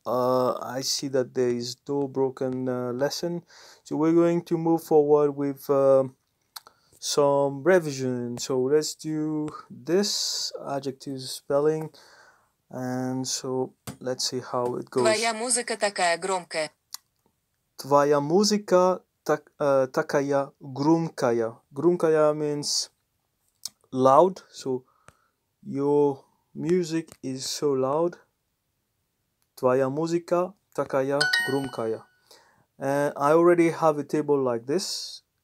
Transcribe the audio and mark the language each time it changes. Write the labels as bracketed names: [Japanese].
[English] I see that there is no broken lesson, so we're going to move forward with some revision. So let's do this adjective spelling, and so let's see how it goes. [Russian] Твоя музыка такая громкая. Твоя музыка такая громкая. [English] Громкая means loud. So your music is so loud. [Russian] Твоя музыка такая громкая. [English] And I already have a table like this.